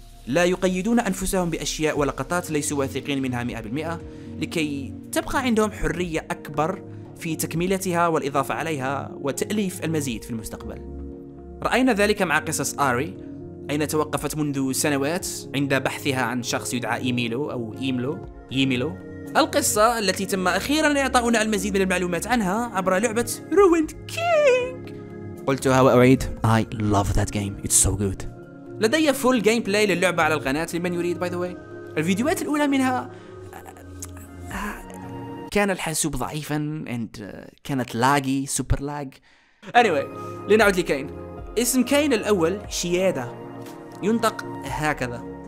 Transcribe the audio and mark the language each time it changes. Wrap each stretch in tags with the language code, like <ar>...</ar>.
<ar>لا يقيدون أنفسهم بأشياء ولقطات ليسوا واثقين منها 100% لكي تبقى عندهم حرية أكبر في تكملتها والإضافة عليها وتأليف المزيد في المستقبل. رأينا ذلك مع قصص آري، أين توقفت منذ سنوات عند بحثها عن شخص يدعى إيميلو أو إيميلو. القصة التي تم أخيراً إعطاؤنا المزيد من المعلومات عنها عبر لعبة روينت كينج. قلتها وأعيد،</ar> <en>I love that game, it's so good.</en> <ar>لدي</ar> <en>full gameplay</en> <ar>للعبة على القناة لمن يريد.</ar> <en>by the way,</en> <ar>الفيديوهات الأولى منها كان الحاسوب ضعيفاً and كانت لاجي،</ar> <en>Super lag.</en> <ar>anyway، لنعود لكين. اسم كين الأول شيادة، ينطق هكذا.</ar>